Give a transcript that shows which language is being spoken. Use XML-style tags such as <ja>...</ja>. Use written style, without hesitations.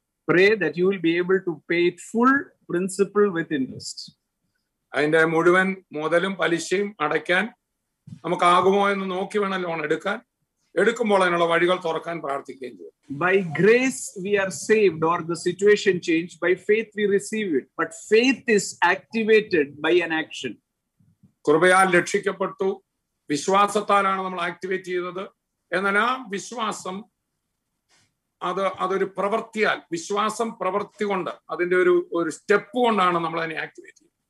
<en>pray that you will be able to pay it full principal with interest.</en> <ml>അതിന്റെ മുഴുവൻ മുതലും പലിശയും അടയ്ക്കാൻ നമുക്കാകുമോ എന്ന് നോക്കി വേണം ലോൺ എടുക്കാൻ. എടുക്കുമ്പോൾ അതിനുള്ള വഴികൾ തുറക്കാൻ പ്രാർത്ഥിക്കുകയും ചെയ്യും.</ml> <en>By grace we are saved or the situation changed. By faith we receive it. But faith is activated by an action.</en> <ml>കൃപയാൽ രക്ഷിക്കപ്പെട്ടു, വിശ്വാസത്താലാണ് നമ്മൾ ആക്ടിവേറ്റ് ചെയ്തത്. എന്നാൽ ആ വിശ്വാസം അത് അതൊരു പ്രവൃത്തിയാൽ, വിശ്വാസം പ്രവൃത്തി കൊണ്ട് അതിന്റെ ഒരു ഒരു സ്റ്റെപ്പ് കൊണ്ടാണ് നമ്മൾ അതിനെ ആക്ടിവേറ്റ്</ml>